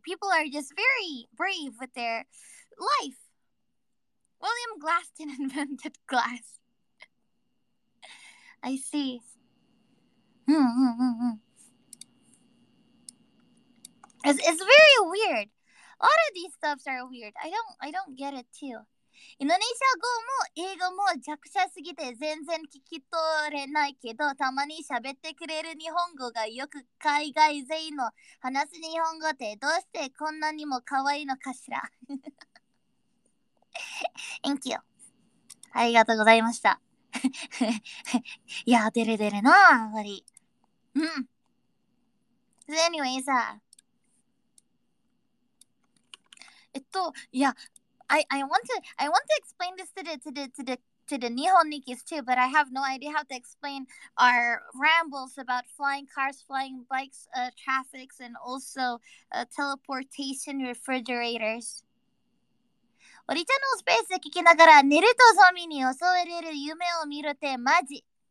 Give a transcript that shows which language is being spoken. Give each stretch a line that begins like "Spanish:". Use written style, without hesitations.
English: People are just very brave with their life. William Glaston invented glass. I see. It's very weird. A lot of these stuffs are weird. I don't get it too.
Japanese: Indonesia 語も英語も弱者すぎて全然聞き取れないけど、たまに喋ってくれる日本語がよく海外勢の話す日本語ってどうしてこんなにも可愛いのかしら。
English: Thank you.
Japanese: ありがとうございました。いや、デレデレな、あんまり。
English: So anyway, さ。 Yeah, I want to explain this to the Nihonikis too, but I have no idea how to explain our rambles about flying cars, flying bikes, traffics, and also teleportation refrigerators.
Japanese: おりちゃんのスペースで聞きながら寝るとゾンビに襲われる夢を見るってマジ。